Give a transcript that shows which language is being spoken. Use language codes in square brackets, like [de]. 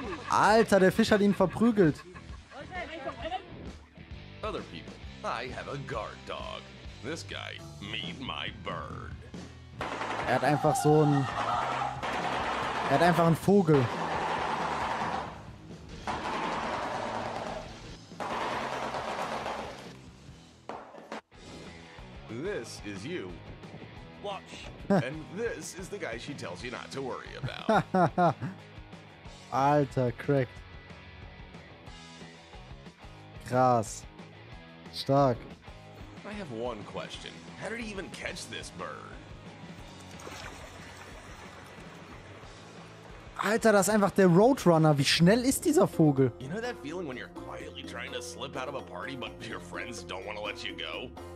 [de] Alter, der Fisch hat ihn verprügelt. [en] Other people, I have a guard dog. This guy, meet my bird. [de] Er hat einfach so einen. Er hat einfach einen Vogel. [en] This is you. Watch. And this is the guy she tells you not to worry about. [de] Alter, [en] cracked. [de] Krass. Stark. [en] I have one question. How did he even catch this bird? [de] Alter, das ist einfach der Roadrunner. Wie schnell ist dieser Vogel? [en] You know that feeling when you're quietly trying to slip out of a party, but your friends don't want to let you go?